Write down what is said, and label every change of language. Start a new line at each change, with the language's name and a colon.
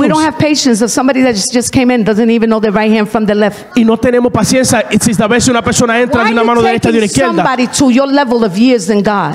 English: And we don't have patience of somebody that just came in doesn't even know the right hand from the left.
Spanish: Y no tenemos paciencia si a veces una persona entra de una mano derecha y de una izquierda.
English: Why are you taking somebody to your level of years in God?